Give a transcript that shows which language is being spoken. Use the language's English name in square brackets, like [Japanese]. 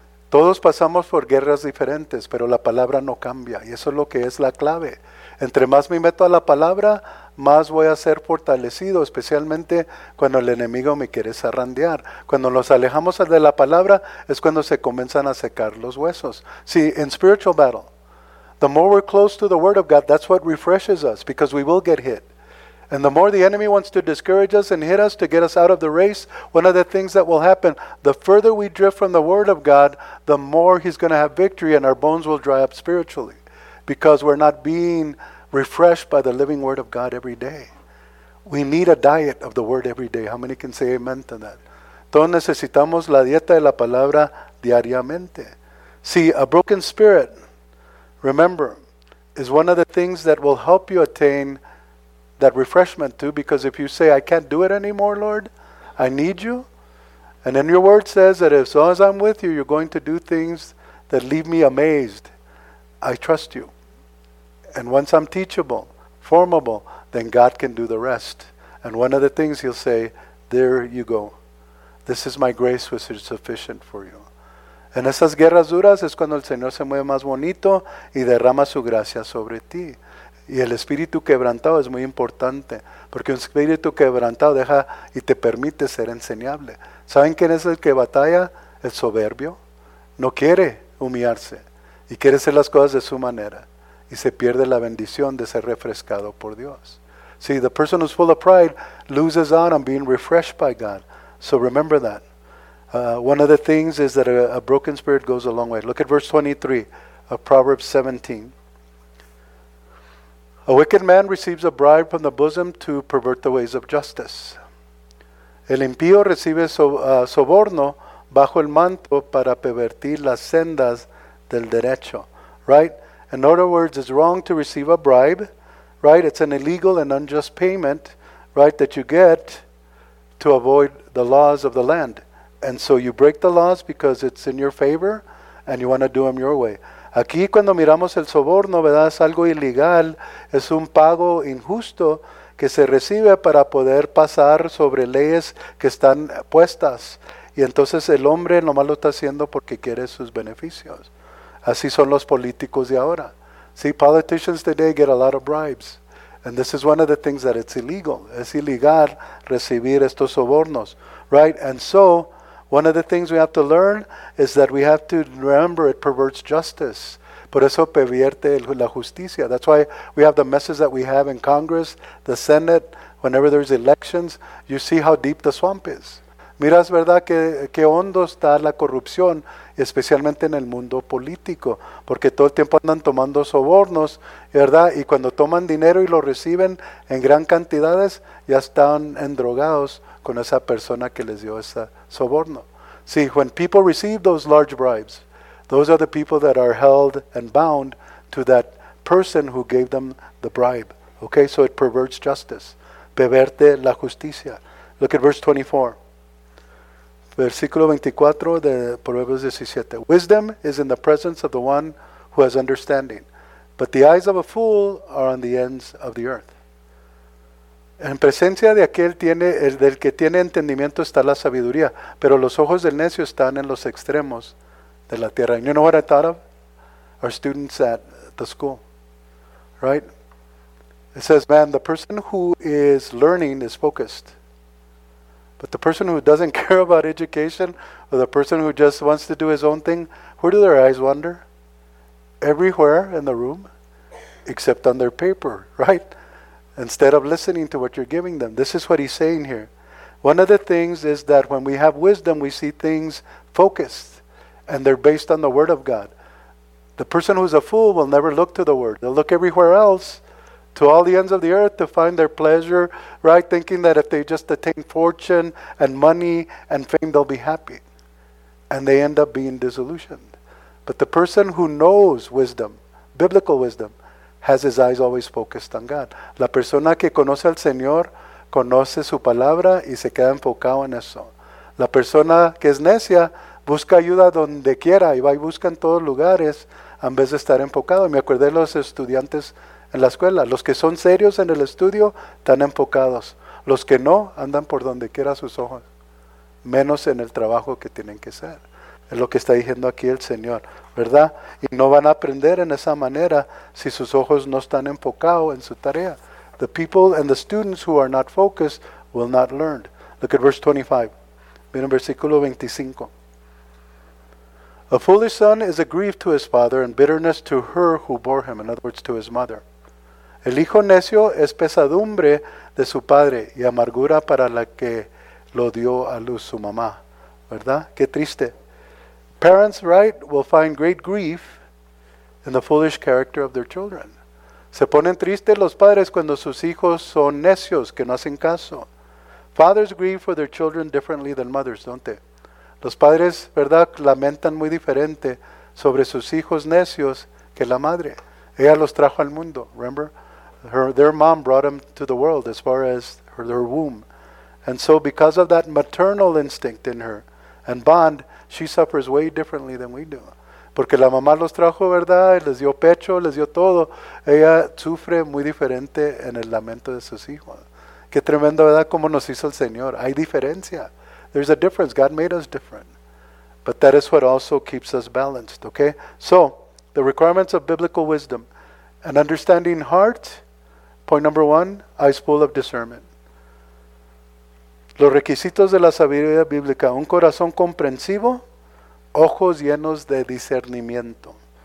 [Spanish] Todos pasamos por guerras diferentes, pero la palabra no cambia. Y eso es lo que es la clave. Entre más me meto a la palabra, más voy a ser fortalecido, especialmente cuando el enemigo me quiere zarandear. Cuando nos alejamos de la palabra, es cuando se comienzan a secar los huesos. [English] See, in spiritual battle, the more we're close to the word of God, that's what refreshes us, because we will get hit. And the more the enemy wants to discourage us and hit us to get us out of the race, one of the things that will happen, the further we drift from the word of God, the more he's going to have victory and our bones will dry up spiritually because we're not being refreshed by the living word of God every day. We need a diet of the word every day. How many can say amen to that? [Spanish] Todos necesitamos la dieta de la palabra diariamente. [English] See, a broken spirit, remember, is one of the things that will help you attain that refreshment too, because if you say, I can't do it anymore, Lord, I need you. And then your word says that as long as I'm with you, you're going to do things that leave me amazed. I trust you. And once I'm teachable, formable, then God can do the rest. And one of the things he'll say, there you go. This is my grace which is sufficient for you. [Spanish] En esas guerras duras es cuando el Señor se mueve más bonito y derrama su gracia sobre ti. Y el espíritu quebrantado es muy importante, porque un espíritu quebrantado deja y te permite ser enseñable. ¿Saben quién es el que batalla? El soberbio. No quiere humillarse y quiere hacer las cosas de su manera. Y se pierde la bendición de ser refrescado por Dios. [English] See, the person who's full of pride loses out on being refreshed by God. So remember that. One of the things is that a broken spirit goes a long way. Look at verse 23 of Proverbs 17. A wicked man receives a bribe from the bosom to pervert the ways of justice. [Spanish] El impío recibe soborno bajo el manto para pervertir las sendas del derecho. [English] Right? In other words, it's wrong to receive a bribe. Right? It's an illegal and unjust payment, right, that you get to avoid the laws of the land. And so you break the laws because it's in your favor and you want to do them your way. [Spanish] Aquí cuando miramos el soborno, ¿verdad? Es algo ilegal, es un pago injusto que se recibe para poder pasar sobre leyes que están puestas. Y entonces el hombre nomás lo está haciendo porque quiere sus beneficios. Así son los políticos de ahora. [English] See, politicians today get a lot of bribes. And this is one of the things that it's illegal. [Spanish] Es ilegal recibir estos sobornos. [English] Right? And so, one of the things we have to learn is that we have to remember it perverts justice. [Spanish] Por eso pervierte la justicia. [English] That's why we have the messes that we have in Congress, the Senate, whenever there's elections, you see how deep the swamp is. [Spanish] Miras, ¿verdad?, que hondo está la corrupción, especialmente en el mundo político, porque todo el tiempo andan tomando sobornos, ¿verdad?, y cuando toman dinero y lo reciben en gran cantidades, ya están endrogados con esa persona que les dio esa soborno. [English] See, when people receive those large bribes, those are the people that are held and bound to that person who gave them the bribe. Okay, so it perverts justice. [Spanish] Perverte la justicia. [English] Look at verse 24. [Spanish] Versículo 24 de Proverbios 17. [English] Wisdom is in the presence of the one who has understanding, but the eyes of a fool are on the ends of the earth. [Spanish] En presencia de aquel tiene, el del que tiene entendimiento está la sabiduría, pero los ojos del necio están en los extremos de la tierra. [English] And you know what I thought of? Our students at the school, right? It says, man, the person who is learning is focused. But the person who doesn't care about education, or the person who just wants to do his own thing, where do their eyes wander? Everywhere in the room, except on their paper, right? Instead of listening to what you're giving them. This is what he's saying here. One of the things is that when we have wisdom, we see things focused, and they're based on the Word of God. The person who's a fool will never look to the Word. They'll look everywhere else, to all the ends of the earth, to find their pleasure, right? Thinking that if they just attain fortune and money and fame, they'll be happy. And they end up being disillusioned. But the person who knows wisdom, biblical wisdom, has his eyes always focused on God. [Spanish] La persona que conoce al Señor conoce su palabra y se queda enfocado en eso. La persona que es necia busca ayuda donde quiera y va y busca en todos lugares en vez de estar enfocado. Me acordé de los estudiantes en la escuela. Los que son serios en el estudio están enfocados. Los que no andan por donde quiera sus ojos, menos en el trabajo que tienen que hacer. Es lo que está diciendo aquí el Señor, ¿verdad? Y no van a aprender en esa manera si sus ojos no están enfocados en su tarea. [English] The people and the students who are not focused will not learn. Look at verse 25. [Spanish] Miren versículo 25. [English] A foolish son is a grief to his father and bitterness to her who bore him. In other words, to his mother. [Spanish] El hijo necio es pesadumbre de su padre y amargura para la que lo dio a luz su mamá. ¿Verdad? Qué triste. [English] Parents, right, will find great grief in the foolish character of their children. [Spanish] Se ponen tristes los padres cuando sus hijos son necios, que no hacen caso. [English] Fathers grieve for their children differently than mothers, don't they? [Spanish] Los padres, ¿verdad?, lamentan muy diferente sobre sus hijos necios que la madre. Ella los trajo al mundo, [English] remember? Their mom brought them to the world as far as her womb. And so because of that maternal instinct in her and bond, she suffers way differently than we do. [Spanish] Porque la mamá los trajo, ¿verdad?, les dio pecho, les dio todo. Ella sufre muy diferente en el lamento de sus hijos. Qué tremendo, ¿verdad?, cómo nos hizo el Señor. Hay diferencia. [English] There's a difference. God made us different. But that is what also keeps us balanced, okay? So, the requirements of biblical wisdom. An understanding heart. Point number one, eyes full of discernment. [Spanish] Los requisitos de la sabiduría bíblica. Un corazón comprensivo, ojos llenos de discernimiento.